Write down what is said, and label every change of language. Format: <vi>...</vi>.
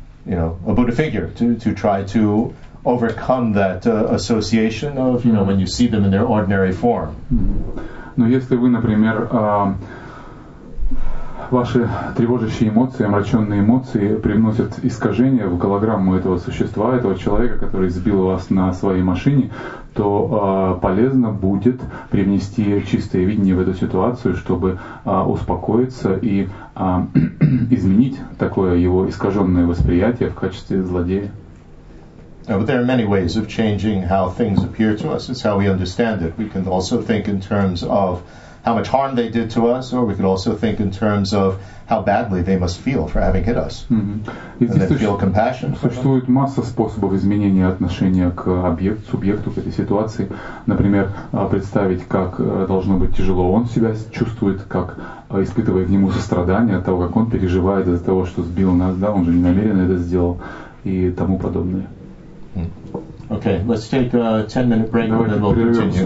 <en>you know, a Buddha figure to try to overcome that association of, you know, when you see them in their ordinary form.</en> <ru>Но если вы, например, ваши тревожащие эмоции, омраченные эмоции привносят искажение в голограмму этого существа, этого человека, который сбил вас на своей машине, то полезно будет привнести чистое видение в эту ситуацию, чтобы успокоиться и изменить такое его искаженное восприятие в качестве злодея.</ru> <en>Now, but there are many ways of changing how things appear to us. It's how we understand it. We can also think in terms of how much harm they did to us, or we could also think in terms of how badly they must feel for having hit us, mm-hmm. and then feel compassion.</en> <ru>Существует масса способов изменения отношения к объекту, субъекту к этой ситуации. Например, представить, как должно быть тяжело он себя чувствует, как испытывая к нему сострадание от того, как он переживает из-за того, что сбил нас, да, он же не намеренно это сделал, и тому подобное.</ru> <en>Okay, let's take a 10-minute break, and then we'll continue.</en>